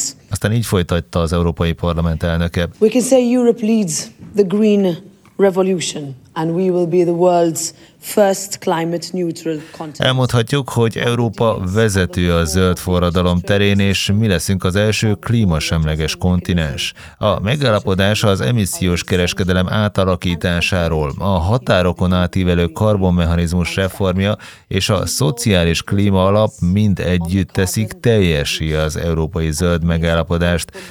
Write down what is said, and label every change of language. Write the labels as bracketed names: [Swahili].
[Hungarian] Aztán így folytatta az Európai Parlament elnöke. [English] We can say Europe leads the green revolution, and we will be the world's first climate neutral continent. [Hungarian] Elmondhatjuk, hogy Európa vezető a zöld forradalom terén, és mi leszünk az első klímasemleges kontinens. A megállapodás az emissziós kereskedelem átalakításáról, a határokon átívelő karbonmechanizmus reformja és a szociális klíma alap mind együtt teszik teljessé az európai zöld megállapodást.